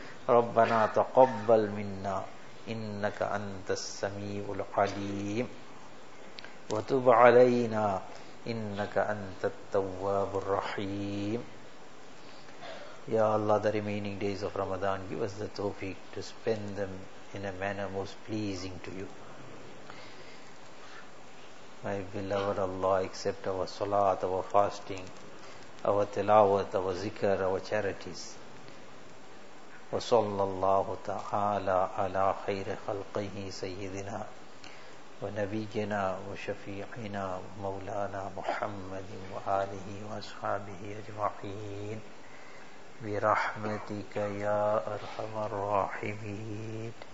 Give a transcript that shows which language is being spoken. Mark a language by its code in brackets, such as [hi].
[ar] ربنا تقبل منا انك انت السميع العليم، وتب علينا انك انت التواب الرحيم. يا الله، [en] the remaining days of Ramadan, give us the tawfiq to spend them in a manner most pleasing to you. My beloved Allah, accept our salat, our fasting, our tilawat, our zikr, our charities. [ar] وصلى الله تعالى على خير خلقه سيدنا ونبينا وشفيعنا مولانا محمد وآله وأصحابه أجمعين برحمتك يا أرحم الراحمين.